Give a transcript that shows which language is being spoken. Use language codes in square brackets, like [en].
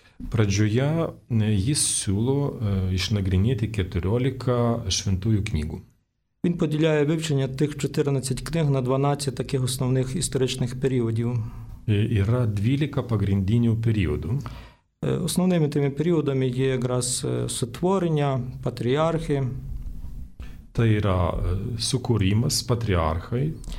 [lt] Pradžioje jis siūlo išnagrinėti 14 šventųjų knygų. [uk] Він поділяє вивчення тих 14 книг на 12 таких основних історичних періодів. [lt] Yra 12 pagrindinių [uk] періодів. Основними тими періодами є якраз сотворення, патріархи. [lt] Tai yra sukūrimas, patriarchai.